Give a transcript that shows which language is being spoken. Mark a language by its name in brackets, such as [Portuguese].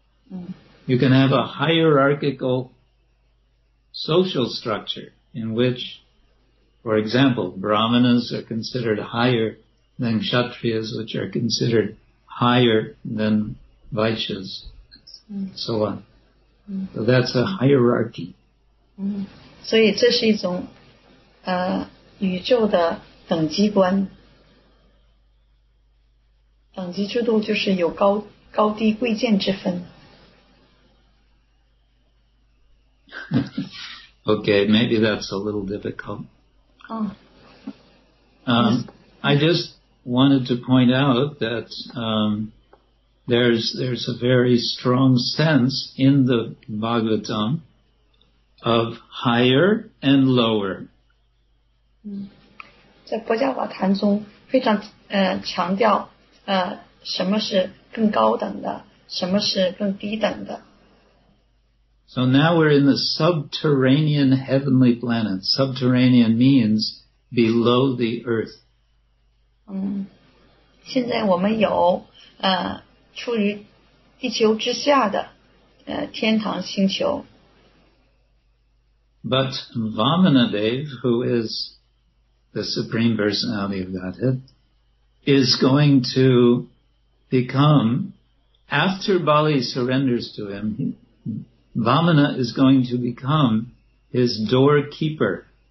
[English] You can have a hierarchical social structure in which, for example, Brahmanas are considered higher than Kshatriyas, which are considered higher than Vaishyas, so on. So that's a hierarchy. [Chinese] 所以这是一种宇宙的等级观，等级制度就是有高低贵贱之分。 [English] Okay, maybe that's a little difficult. I just wanted to point out that there's a very strong sense in the Bhagavatam of higher and lower. [Chinese] 在佛教法坛中非常强调什么是更高等的，什么是更低等的。 [English] So now we're in the subterranean heavenly planet. Subterranean means below the earth. [Chinese] 现在我们有处于地球之下的天堂星球。 [English] But Vamanadev, who is the Supreme Personality of Godhead, is going to become, after Bali surrenders to him, Vamana is going to become his doorkeeper.